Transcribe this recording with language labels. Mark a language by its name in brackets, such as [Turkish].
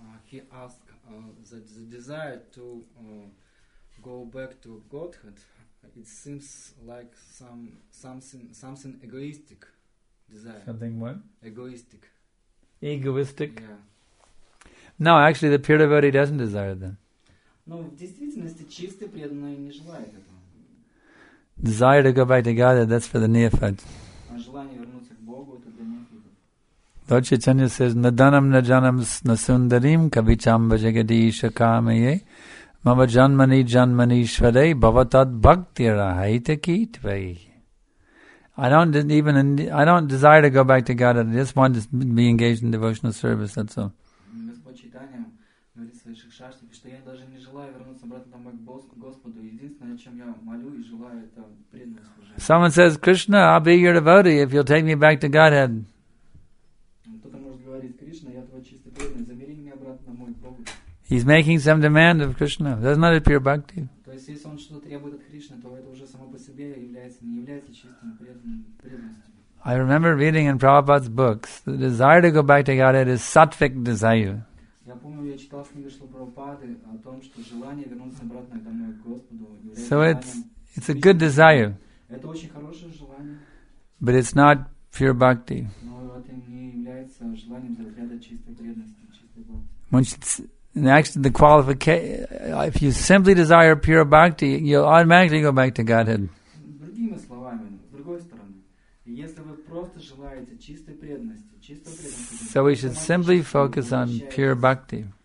[English] He asked the desire to go back to Godhead. It seems like something egoistic desire. Something what? Egoistic. Egoistic? Yeah. No, actually, the pure devotee doesn't desire it then. [Russian] No, в действительности чистый преданный не желает этого. [English] Desire to go back to God, that's for the neophyte. [Russian] А желание вернуться к Богу, это для неофита. [English] Lord Chaitanya says, [Sanskrit] Naddanam najanam nasundarim kabicham bhajagadisha kamaye. Mama janmani janmani shvade bhavatad bhaktira haita ki tvai. [English] I don't desire to go back to God. I just want to be engaged in devotional service, that's all. [Russian] Господь Чайтанья говорит своих шикшаштик, что я даже не желаю вернуться обратно домой к Господу. Единственное, о чем я молю и желаю, это преданное служение. [English] Someone says, Krishna, I'll be your devotee if you'll take me back to Godhead. [Russian] Кто-то может говорить, Кришна, я твой чистый преданный, забери меня обратно домой к Богу. [English] He's making some demand of Krishna. That's not a pure bhakti. [Russian] То есть, если он что-то требует от Кришны, то это уже само по себе является, не является чистым преданностью. [English] I remember reading in Prabhupada's books, the desire to go back to Godhead is sattvic desire. [Russian] Я помню, я читал книги Прабхупады о том, что желание вернуться обратно домой к Господу является. [English] So it's a good desire. [Russian] Это очень хорошее желание. [English] But it's not pure bhakti. [Russian] Но это не является желанием для разряда чистой преданности, чистой бхакти. [English] And actually, the if you simply desire pure bhakti, you'll automatically go back to Godhead. [Russian] Другими словами, с другой стороны, если вы просто желаете чистой преданности, [English] so we should simply focus on pure bhakti.